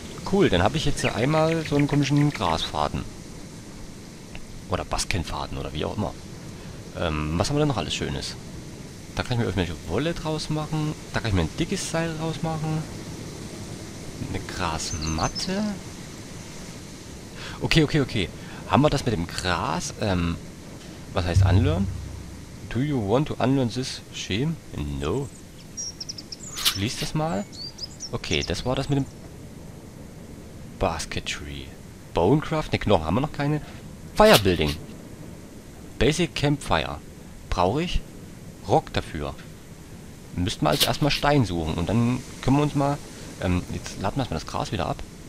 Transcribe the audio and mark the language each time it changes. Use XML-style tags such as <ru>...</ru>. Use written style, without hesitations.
<de>Cool, dann habe ich jetzt einmal so einen komischen Grasfaden. Oder Baskenfaden oder wie auch immer. Was haben wir denn noch alles Schönes? Da kann ich mir irgendwelche Wolle draus machen. Da kann ich mir ein dickes Seil draus machen. Eine Grasmatte. Okay. Haben wir das mit dem Gras? Was heißt unlearn?</de> <en>Do you want to unlearn this shame?</en> <de>No. Schließ das mal. Okay, das war das mit dem Basketry. Bonecraft? Ne, Knochen haben wir noch keine. Firebuilding. Basic Campfire. Brauche ich Rock dafür. Müssten wir also erstmal Stein suchen. Und dann können wir uns mal. Jetzt laden wir erstmal das Gras wieder ab.</de>